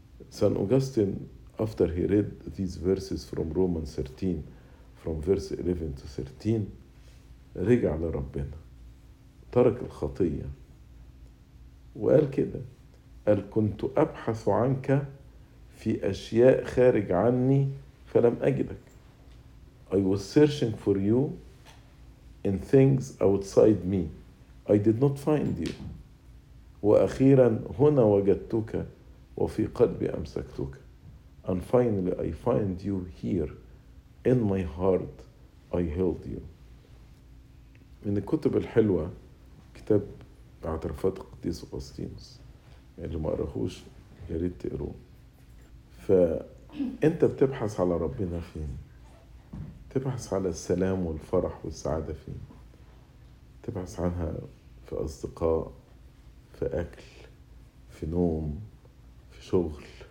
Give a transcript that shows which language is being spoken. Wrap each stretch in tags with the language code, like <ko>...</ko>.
<ar>سان أوغستين</ar> <en>after he read these verses from Romans 13 from verse 11 to 13</en> <ar>رجع لربنا، ترك الخطية وقال كده، قال كنت أبحث عنك في أشياء خارج عني فلم أجدك.</ar> <en>I was searching for you in things outside me. I did not find you.</en> <ar>وأخيراً هنا وجدتك وفي قلبي أمسكتك.</ar> <en>And finally, I find you here. In my heart, I held you.</en> <ar>من الكتب الحلوة كتاب اعترافات قديس أغسطينوس. اللي ما قرأهوش ياريت تقروه. فأنت بتبحث على ربنا فين؟ تبحث على السلام والفرح والسعادة فين؟ تبحث عنها في أصدقاء، في أكل، في نوم، في شغل.</ar>